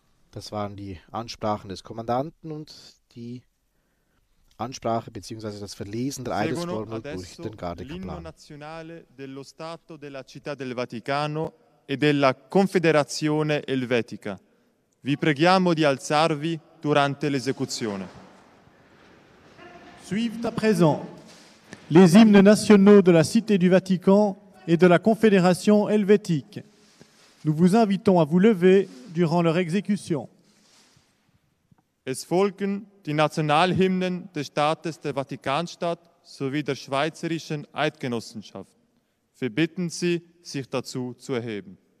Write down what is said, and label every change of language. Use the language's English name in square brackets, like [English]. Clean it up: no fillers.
[German] Das waren die Ansprachen des Kommandanten und die Ansprache bzw. das Verlesen der Eidesformel durch den Gardekaplan. [Italian] Nazionale dello Stato della Città del Vaticano e della Confederazione Elvetica. Vi preghiamo di alzarvi durante l'esecuzione. [French] Suivent à présent les hymnes nationaux de la Cité du Vatican et de la Confédération Helvétique. Nous vous invitons à vous lever durant leur exécution. [German] Es folgen die Nationalhymnen des Staates der Vatikanstadt sowie der Schweizerischen Eidgenossenschaft. Wir bitten Sie, sich dazu zu erheben.